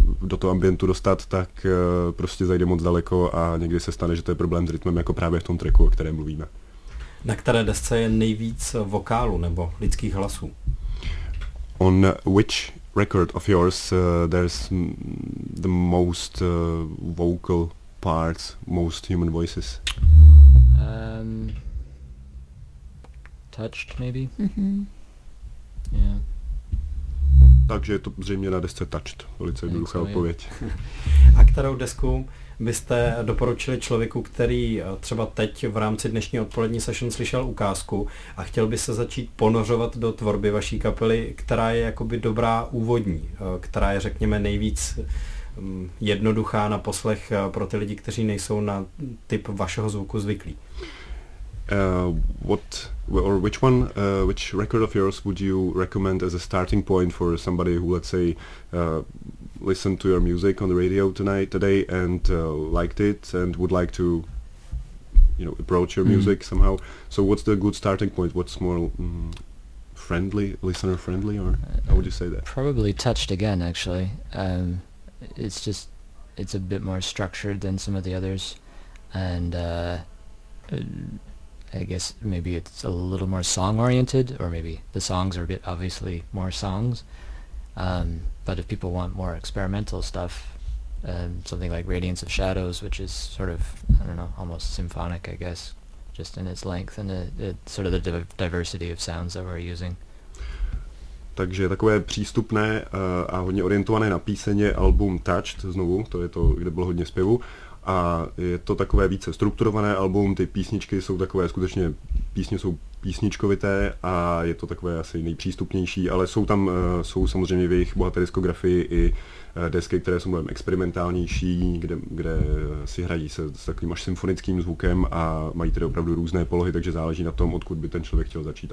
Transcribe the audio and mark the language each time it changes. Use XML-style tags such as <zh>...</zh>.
<cs>do toho ambientu dostat, tak prostě zajde moc daleko a někdy se stane, že to je problém s rytmem, jako právě v tom triku, o kterém mluvíme. Na které desce je nejvíc vokálu nebo lidských hlasů?</cs> <en>On which record of yours there's the most vocal parts, most human voices? Touched maybe? Mm-hmm. Yeah.</en> <cs>Takže je to zřejmě na desce Touched, velice jednoduchá odpověď. A kterou desku byste doporučili člověku, který třeba teď v rámci dnešní odpolední session slyšel ukázku a chtěl by se začít ponořovat do tvorby vaší kapely, která je jakoby dobrá úvodní, která je řekněme nejvíc jednoduchá na poslech pro ty lidi, kteří nejsou na typ vašeho zvuku zvyklí?</cs> <en>Which record of yours would you recommend as a starting point for somebody who, let's say, listened to your music on the radio today and liked it and would like to, you know, approach your music somehow? So what's the good starting point? What's more friendly, listener friendly, or how would you say that? Probably Touched again, actually. It's a bit more structured than some of the others, and I guess maybe it's a little more song-oriented, or maybe the songs are a bit obviously more songs. But if people want more experimental stuff, something like Radiance of Shadows, which is sort of, I don't know, almost symphonic, I guess, just in its length and the diversity of sounds that we're using.</en> <cs>Takže takové přístupné a hodně orientované na píseň album Touched, znovu, to je to, kde bylo hodně zpěvu. A je to takové více strukturované album, ty písničky jsou takové, skutečně písně jsou písničkovité a je to takové asi nejpřístupnější, ale jsou tam, jsou samozřejmě v jejich bohaté diskografii i desky, které jsou mnohem experimentálnější, kde si hrají s takovým až symfonickým zvukem a mají tedy opravdu různé polohy, takže záleží na tom, odkud by ten člověk chtěl začít.</cs>